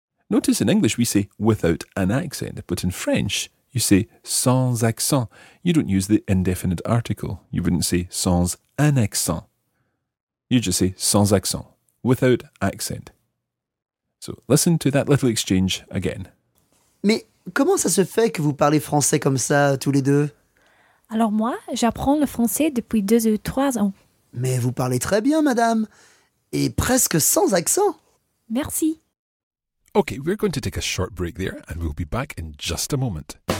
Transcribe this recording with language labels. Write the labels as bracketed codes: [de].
[en] Notice in English we say without an accent, but in French you say [fr] sans accent. [en] You don't use the indefinite article. You wouldn't say [fr] sans un accent. [en] You just say [fr] sans accent, [en] without accent. So listen to that little exchange again. [fr] Mais comment ça se fait que vous parlez français comme ça tous les deux? Alors moi, j'apprends le français depuis 2 ou 3 ans. Mais vous parlez très bien, madame. Et presque sans accent. Merci. [en] Ok, we're going to take a short break there and we'll be back in just a moment.